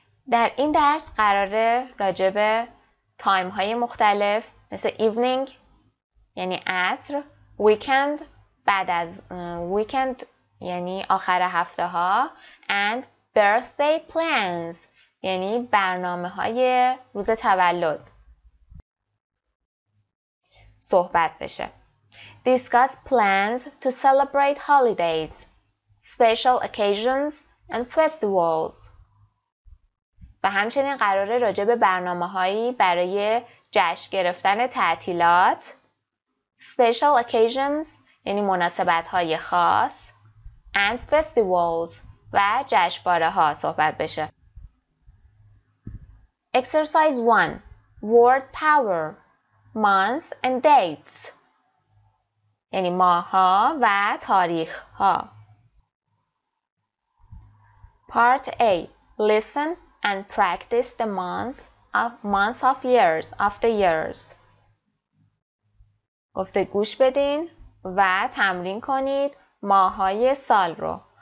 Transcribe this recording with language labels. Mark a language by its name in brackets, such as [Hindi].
[Persian] در این درس قراره راجع به تایم های مختلف مثل evening یعنی عصر، weekend بعد از weekend یعنی آخر هفته ها [English] and birthday plans [Persian] یعنی برنامه های روز تولد صحبت بشه. [English] Discuss plans to celebrate holidays, special occasions and festivals. [Persian] و همچنین قراره راجع به برنامه‌هایی برای جشن گرفتن تعطیلات، special occasions یعنی مناسبت‌های خاص and festivals و جشنواره‌ها صحبت بشه. [English] Exercise 1. Word power. Months and dates. [Persian] یعنی ماه‌ها و تاریخ‌ها. [English] Part A. Listen and practice the months of the years. [Persian] گفته گوش بدین و تمرین کنید ماه‌های سال رو.